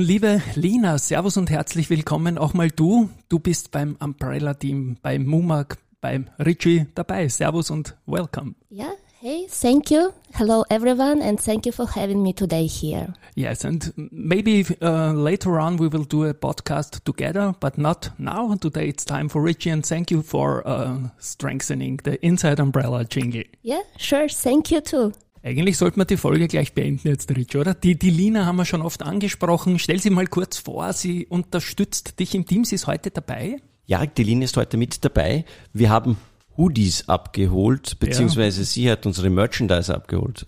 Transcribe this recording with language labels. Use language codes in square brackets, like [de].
[de] Liebe Lina, servus und herzlich willkommen. Auch mal du. Du bist beim Umbrella Team, beim Mumak, beim Richie dabei. Servus und welcome. [en] Ja. Yeah. Hey, thank you. Hello, everyone, and thank you for having me today here. Yes, and maybe later on we will do a podcast together, but not now. Today it's time for Richie, and thank you for strengthening the Inside Umbrella Jingle. Yeah, sure. Thank you too. [de] Eigentlich sollte man die Folge gleich beenden jetzt, Richie, oder? Die Lina haben wir schon oft angesprochen. Stell sie mal kurz vor. Sie unterstützt dich im Team. Sie ist heute dabei. Ja, die Lina ist heute mit dabei. Wir haben Hoodies abgeholt, beziehungsweise ja. Sie hat unsere Merchandise abgeholt.